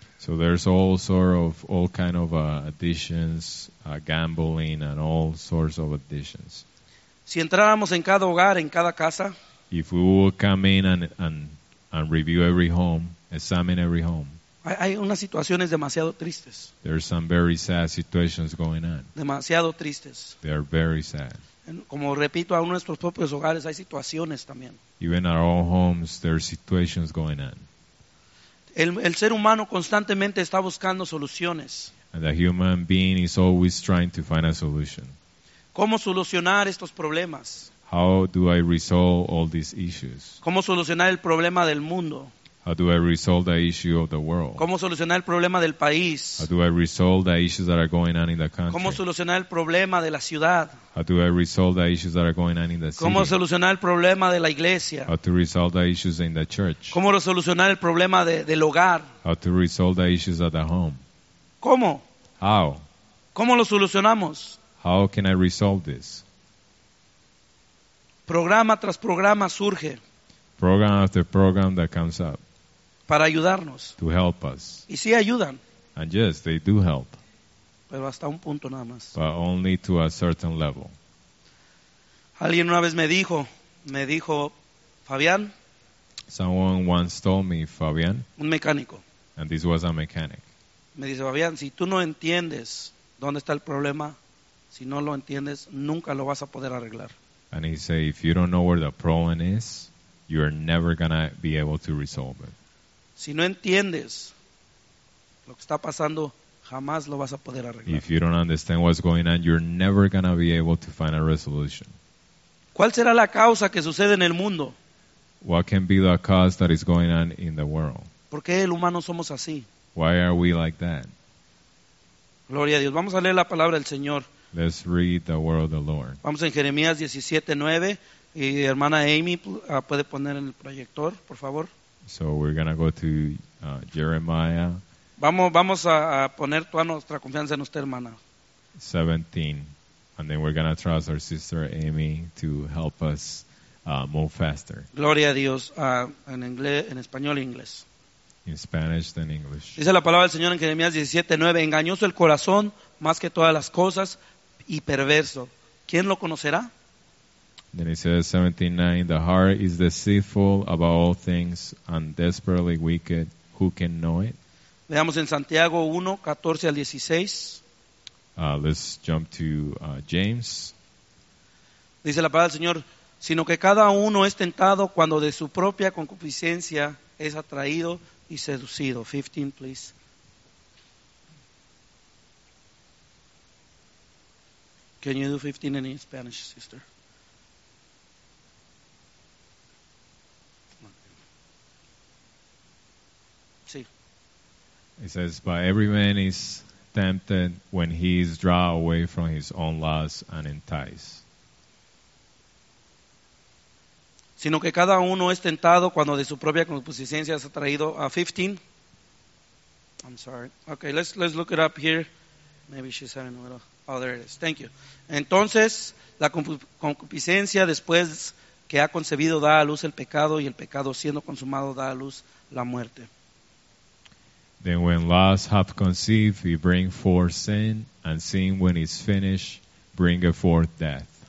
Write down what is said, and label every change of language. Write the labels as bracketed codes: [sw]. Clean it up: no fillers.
[en] So there's all sort of all kind of addictions, gambling and all sorts of addictions. [es] Si entráramos en cada hogar, en cada casa, [en] if we will come in and review every home, examine every home. [es] Hay unas situaciones demasiado tristes. [en] There are some very sad situations going on. [es] Demasiado tristes. [en] They are very sad. [es] Como repito, aún en nuestros propios hogares hay situaciones también. [en] Even in our own homes, there are situations going on. [es] El ser humano constantemente está buscando soluciones. [en] And the human being is always trying to find a solution. [es] ¿Cómo solucionar estos problemas? [en] How do I resolve all these issues? [es] ¿Cómo solucionar el problema del mundo? [en] How do I resolve the issue of the world? [es] ¿Cómo solucionar el problema del país? [en] How do I resolve the issues that are going on in the country? [es] ¿Cómo solucionar el problema de la ciudad? [en] How do I resolve the issues that are going on in the city? [es] ¿Cómo solucionar el problema de la iglesia? [en] How to resolve the issues in the church? [es] ¿Cómo solucionar el problema del hogar? [en] How to resolve the issues at the home? [es] ¿Cómo? [en] How? [es] ¿Cómo lo solucionamos? [en] How can I resolve this? [es] Programa tras programa surge. [en] Program after program that comes up. [es] Para ayudarnos. [en] To help us. [es] Y sí ayudan. [en] And yes, they do help. [es] Pero hasta un punto nada más. [en] But only to a certain level. [es] Alguien una vez me dijo, Fabián. [en] Someone once told me, Fabián. [es] Un mecánico. [en] And this was a mechanic. [es] Me dice, Fabián, si tú no entiendes dónde está el problema, si no lo entiendes, nunca lo vas a poder arreglar. [en] And he said, if you don't know where the problem is, you are never going to be able to resolve it. [es] Si no entiendes lo que está pasando, jamás lo vas a poder arreglar. [en] If you don't understand what's going on, you're never going to be able to find a resolution. [es] ¿Cuál será la causa que sucede en el mundo? [en] What can be the cause that is going on in the world? [es] ¿Por qué el humano somos así? [en] Why are we like that? [es] Gloria a Dios. Vamos a leer la palabra del Señor. [en] Let's read the word of the Lord. [es] Vamos en Jeremías 17:9 y hermana Amy puede poner en el proyector, por favor. [en] So we're going to go to Jeremiah. [es] Vamos a poner toda nuestra confianza en usted, hermana. 17. [en] And then we're going to trust our sister Amy to help us move faster. [es] Gloria a Dios. En inglés, en español e inglés. [en] In Spanish and English. [es] Dice la palabra del Señor en Jeremías 17:9. Engañoso el corazón más que todas las cosas y perverso. ¿Quién lo conocerá? [en] Then it says 17:9, the heart is deceitful above all things and desperately wicked. Who can know it? [es] Veamos en Santiago 1:14-16. [en] Let's jump to James. [es] Dice la palabra del Señor, sino que cada uno es tentado cuando de su propia concupiscencia es atraído y seducido. [en] 15, please. Can you do 15 in Spanish, sister? It says, but every man is tempted when he is drawn away from his own lust and enticed. [es] Sino que cada uno es tentado cuando de su propia concupiscencia es atraído. [en] 15. I'm sorry. Okay, let's look it up here. Maybe she's having a little. Oh, there it is. Thank you. [es] Entonces, la concupiscencia después que ha concebido da a luz el pecado y el pecado siendo consumado da a luz la muerte. [en] Then when lust hath conceived, it bring forth sin, and sin when it's finished, bring forth death.